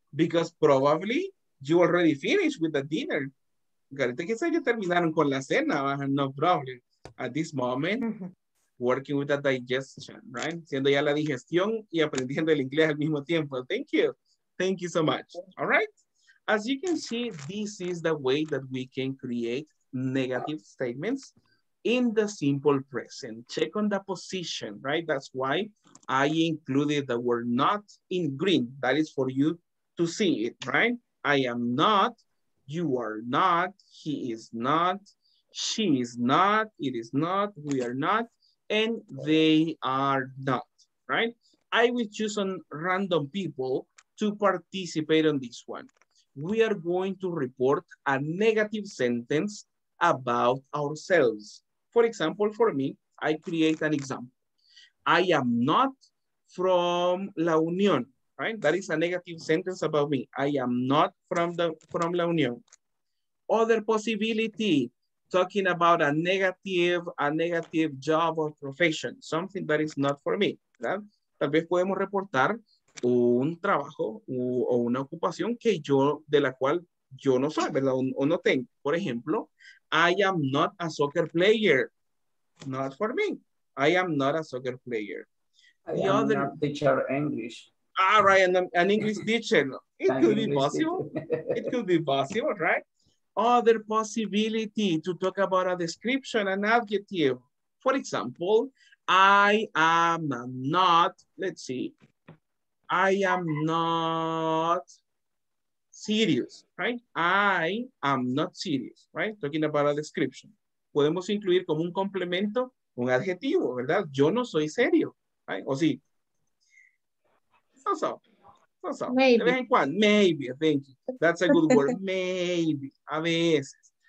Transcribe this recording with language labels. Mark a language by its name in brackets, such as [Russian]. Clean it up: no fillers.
[English] Because probably you already finished with the dinner. You [Spanish] terminaron con la cena. [English] No problem. At this moment, working with the digestion, right? [Spanish] Siendo ya la digestión y aprendiendo el inglés al mismo tiempo. [English] Thank you. Thank you so much. All right. As you can see, this is the way that we can create negative statements in the simple present. Check on the position, right? That's why I included the word not in green. That is for you to see it, right? I am not, you are not, he is not, she is not, it is not, we are not, and they are not, right? I will choose some random people to participate on this one. We are going to report a negative sentence about ourselves. For example, for me, I create an example. I am not from La Union, right? That is a negative sentence about me. I am not from La Union. Other possibility, talking about a negative job or profession, something that is not for me, ¿verdad? [Spanish] Tal vez podemos reportar un trabajo o una ocupación que yo, de la cual yo no soy, ¿verdad? O no tengo. Por ejemplo, [English] I am not a soccer player. Not for me. I am not a soccer player. I am not a teacher English. Ah, right, an English teacher. It could be possible. It could be possible, right? Other possibility to talk about a description, an adjective. For example, I am not, let's see, I am not serious, right? I am not serious, right? Talking about a description. [Spanish] Podemos incluir como un complemento un adjetivo, ¿verdad? Yo no soy serio, right? O sí. So-so. [English] Maybe. [Spanish] De vez en cuando. [English] Maybe, thank you. That's a good word. Maybe. [Spanish] A veces.